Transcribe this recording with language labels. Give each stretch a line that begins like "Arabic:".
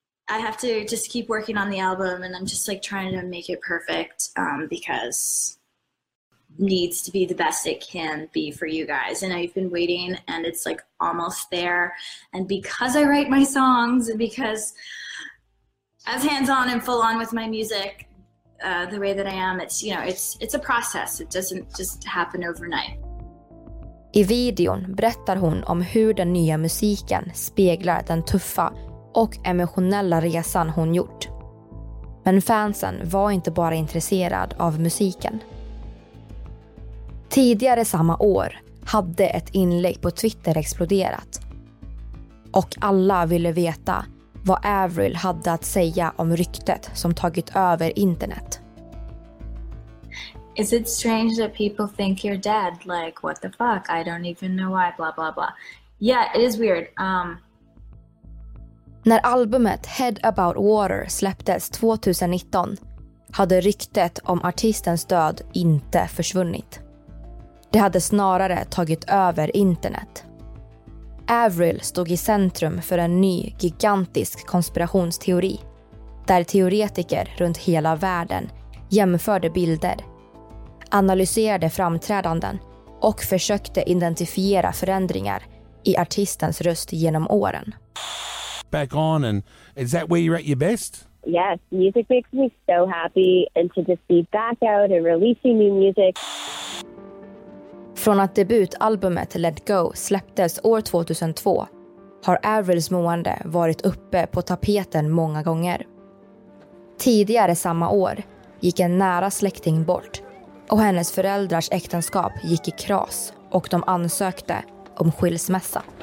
English: I have to just keep working on the album and I'm just like trying to make it perfect because it needs to be the best it can be for you guys. And I've been waiting and it's like almost there. And because I write my songs and because I was hands-on and full on with my music the way that I am, it's, you know, it's a process. It doesn't just happen overnight.
Swedish: I videon berättar hon om hur den nya musiken speglar den tuffa och emotionella resan hon gjort. Men fansen var inte bara intresserad av musiken. Tidigare samma år hade ett inlägg på Twitter exploderat. Och alla ville veta vad Avril hade att säga om ryktet som tagit över internet.
English: Is it strange that people think you're dead? Like, what the fuck? I don't even know why, blah, blah, blah. Yeah, it is weird.
Swedish: När albumet Head About Water släpptes 2019 hade ryktet om artistens död inte försvunnit. Det hade snarare tagit över internet. Avril stod i centrum för en ny, gigantisk konspirationsteori där teoretiker runt hela världen jämförde bilder, analyserade framträdanden och försökte identifiera förändringar i artistens röst genom åren.
English: Back on, and is that where you're at your best? Yes, music makes me so happy, and to just be back out and releasing new music.
Swedish: Från att debutalbumet Let Go släpptes år 2002 har Avrils mående varit uppe på tapeten många gånger. Tidigare samma år gick en nära släkting bort och hennes föräldrars äktenskap gick i kras och de ansökte om skilsmässa.